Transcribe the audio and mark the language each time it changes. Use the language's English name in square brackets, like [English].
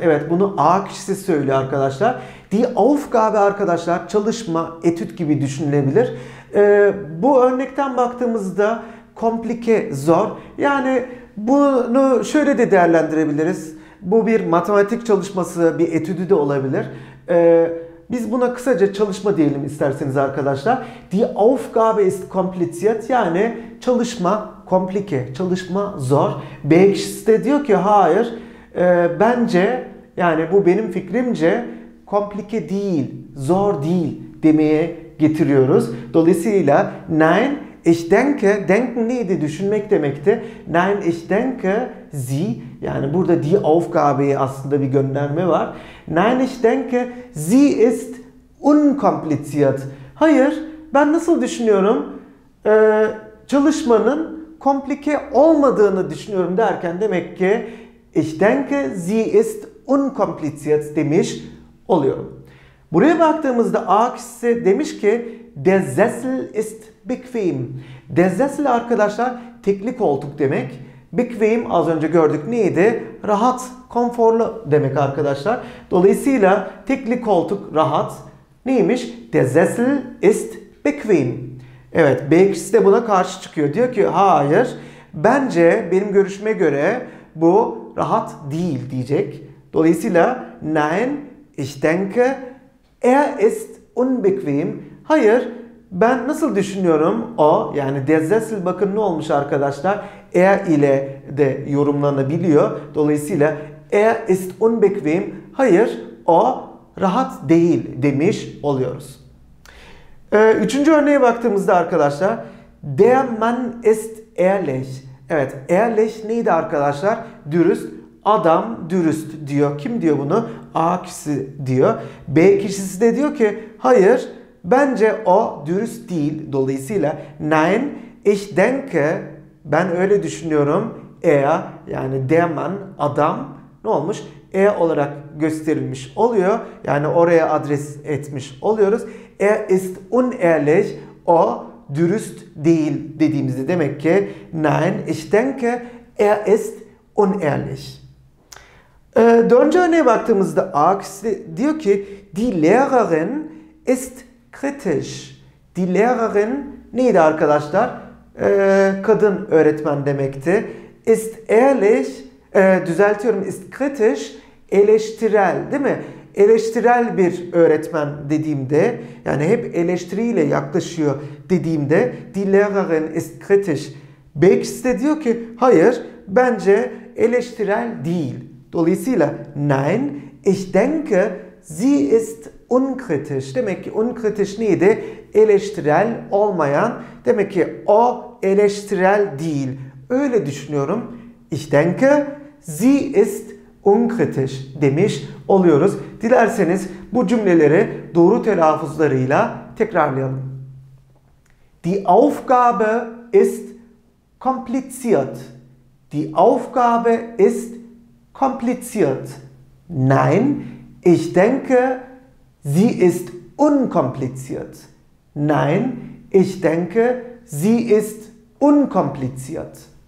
[Turkish] Evet, bunu A kişisi söylüyor arkadaşlar. Die Aufgabe arkadaşlar, çalışma, etüt gibi düşünülebilir. Bu örnekten baktığımızda komplike, zor. Yani bunu şöyle de değerlendirebiliriz. Bu bir matematik çalışması, bir etüdü de olabilir. Biz buna kısaca çalışma diyelim isterseniz arkadaşlar. [German] Die Aufgabe ist kompliziert. [Turkish] Yani çalışma komplike, çalışma zor. B kişisi de diyor ki hayır, bence, yani bu benim fikrimce komplike değil, zor değil demeye getiriyoruz. Dolayısıyla [German] nein, ich denke, denken [Turkish] neydi? Düşünmek demekti. [German] Nein, ich denke, sie, [Turkish] yani burada die Aufgabe'ye aslında bir gönderme var. [German] Nein, ich denke, sie ist unkompliziert. [Turkish] Hayır, ben nasıl düşünüyorum? Çalışmanın komplike olmadığını düşünüyorum derken demek ki [German] ich denke, sie ist unkompliziert [Turkish] demiş oluyorum. Buraya baktığımızda A kişisi demiş ki [German] der Sessel ist bequem. [Turkish] Der Sessel arkadaşlar tekli koltuk demek. Bequem az önce gördük neydi? Rahat, konforlu demek arkadaşlar. Dolayısıyla tekli koltuk rahat neymiş? [German] Der Sessel ist bequem. [Turkish] Evet, B kişisi de buna karşı çıkıyor. Diyor ki hayır, bence benim görüşüme göre bu rahat değil diyecek. Dolayısıyla [German] nein, ich denke, er ist unbequem. [Turkish] Hayır, ben nasıl düşünüyorum? O, yani der Sessel, bakın ne olmuş arkadaşlar? Er ile de yorumlanabiliyor. Dolayısıyla [German] er ist unbequem. [Turkish] Hayır, o rahat değil demiş oluyoruz. Üçüncü örneğe baktığımızda arkadaşlar, [German] der Mann ist ehrlich. [Turkish] Evet, ehrlich neydi arkadaşlar? Dürüst, adam dürüst diyor. Kim diyor bunu? A kişisi diyor. B kişisi de diyor ki hayır, bence o dürüst değil. Dolayısıyla [German] nein, ich denke, [Turkish] ben öyle düşünüyorum. Er, yani der Mann, adam, ne olmuş? Er olarak gösterilmiş oluyor. Yani oraya adres etmiş oluyoruz. [German] Er ist unehrlich, [Turkish] o dürüst değil dediğimizde demek ki [German] nein, ich denke, er ist unehrlich. [Turkish] Dördüncü örneğe baktığımızda A kişisi diyor ki [German] die Lehrerin ist kritisch. [Turkish] Die Lehrerin neydi arkadaşlar? Kadın öğretmen demekti. [German] Ist ehrlich, [Turkish] düzeltiyorum, [German] ist kritisch, [Turkish] eleştirel değil mi? Eleştirel bir öğretmen dediğimde, yani hep eleştiriyle yaklaşıyor dediğimde [German] die Lehrerin ist kritisch. [Turkish] B kişisi de diyor ki hayır, bence eleştirel değil. Dolayısıyla [German] nein, ich denke, sie ist unkritisch. [Turkish] Demek ki unkritisch neydi? Eleştirel olmayan. Demek ki o eleştirel değil. Öyle düşünüyorum. [German] Ich denke, sie ist unkritisch [Turkish] demiş oluyoruz. Dilerseniz bu cümleleri doğru telaffuzlarıyla tekrarlayalım. [German] Die Aufgabe ist kompliziert. Die Aufgabe ist kompliziert. Nein, ich denke, sie ist unkompliziert. Nein, ich denke, sie ist unkompliziert.